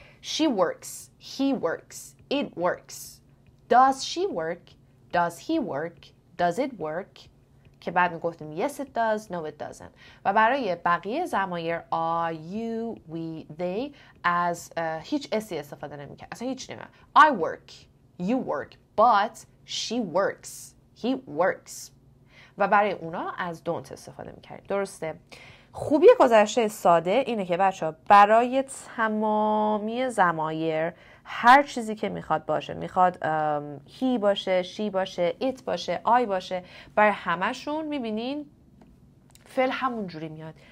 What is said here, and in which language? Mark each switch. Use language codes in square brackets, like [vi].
[en] She works، he works، it works، does she work، does he work، does it work، [fa] که بعد میگفتیم [en] yes it does، no it doesn't. [fa] و برای بقیه ضمایر I, you، we، they از هیچ اسی استفاده نمیکنه، اصلا هیچ نمیکنه. [en] I work، you work، but she works، he works. [fa] و برای اونا از don't استفاده میکنیم. درسته. خوبی گذشته ساده اینه که بچه ها برای تمامی ضمایر هر چیزی که میخواد باشه، میخواد he باشه، she باشه، it باشه، I باشه، برای همشون میبینین فعل همون جوری میاد.